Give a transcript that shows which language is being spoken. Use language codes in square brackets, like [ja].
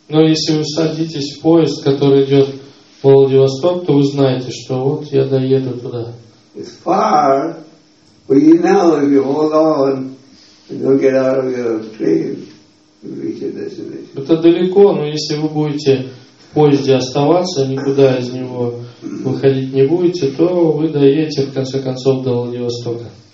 [ru] Но если вы садитесь в поезд, который идет в Владивосток, то вы знаете, что вот я доеду туда. [en] It's far, but you know if you hold on and don't get out of your train, you reach your destination. [ru] Это далеко, но если вы будете в поезде оставаться, никуда из него выходить не будете, то вы доедете в конце концов до Владивостока.